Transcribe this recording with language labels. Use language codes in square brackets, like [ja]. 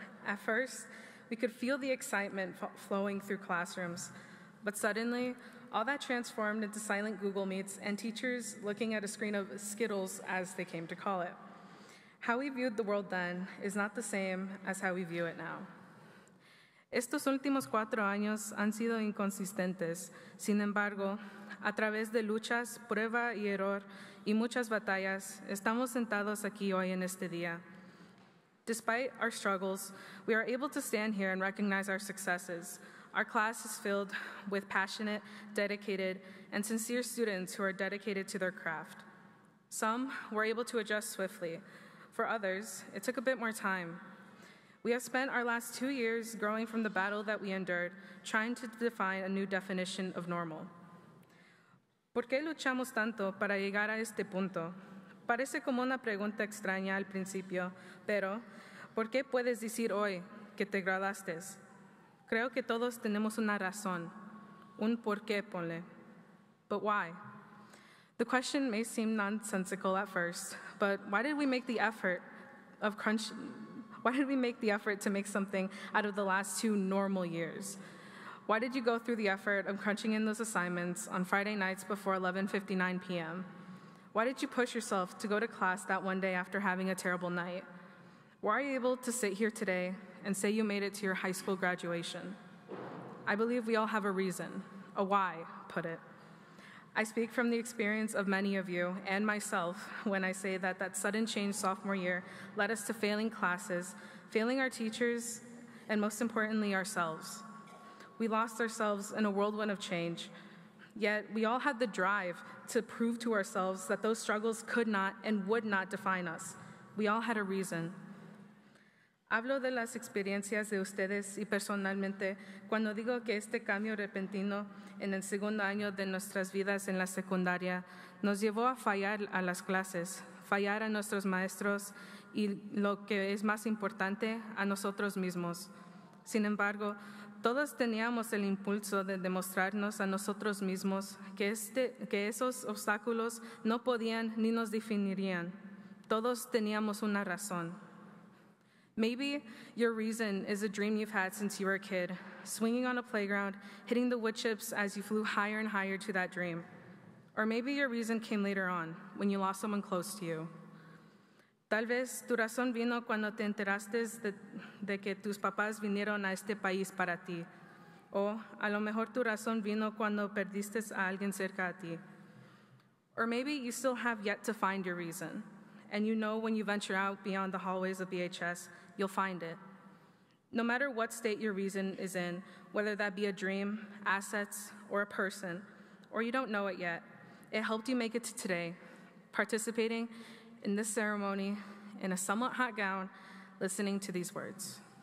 [en] At first, we could feel the excitement flowing through classrooms. But suddenly, all that transformed into silent Google Meets and teachers looking at a screen of Skittles, as they came to call it. How we viewed the world then is not the same as how we view it now. [es] Estos últimos 4 años han sido inconsistentes. Sin embargo, a través de luchas, prueba y error, y muchas batallas, estamos sentados aquí hoy en este día. [en] Despite our struggles, we are able to stand here and recognize our successes. Our class is filled with passionate, dedicated, and sincere students who are dedicated to their craft. Some were able to adjust swiftly. For others, it took a bit more time. We have spent our last 2 years growing from the battle that we endured, trying to define a new definition of normal. [es] ¿Por qué luchamos tanto para llegar a este punto? Parece como una pregunta extraña al principio, pero ¿por qué puedes decir hoy que te graduaste? Creo que todos tenemos una razón, un porqué, ponle. [en] But why? The question may seem nonsensical at first, but why did we make the effort of crunch? Why did we make the effort to make something out of the last 2 normal years? Why did you go through the effort of crunching in those assignments on Friday nights before 11:59 p.m.? Why did you push yourself to go to class that one day after having a terrible night? Why are you able to sit here today and say you made it to your high school graduation? I believe we all have a reason, a why, put it. I speak from the experience of many of you and myself when I say that that sudden change sophomore year led us to failing classes, failing our teachers, and most importantly, ourselves. We lost ourselves in a whirlwind of change, yet we all had the drive to prove to ourselves that those struggles could not and would not define us. We all had a reason. [es] Hablo de las experiencias de ustedes y personalmente cuando digo que este cambio repentino en el segundo año de nuestras vidas en la secundaria nos llevó a fallar a las clases, fallar a nuestros maestros y lo que es más importante, a nosotros mismos. Sin embargo, todos teníamos el impulso de demostrarnos a nosotros mismos que esos obstáculos no podían ni nos definirían. Todos teníamos una razón. [en] Maybe your reason is a dream you've had since you were a kid, swinging on a playground, hitting the wood chips as you flew higher and higher to that dream. Or maybe your reason came later on, when you lost someone close to you. [es] Tal vez tu razón vino cuando te enteraste de que tus papás vinieron a este país para ti. O a lo mejor tu razón vino cuando perdiste a alguien cerca a ti. [en] Or maybe you still have yet to find your reason. And you know when you venture out beyond the hallways of BHS, you'll find it. No matter what state your reason is in, whether that be a dream, assets, or a person, or you don't know it yet, it helped you make it to today, participating in this ceremony in a somewhat hot gown, listening to these words.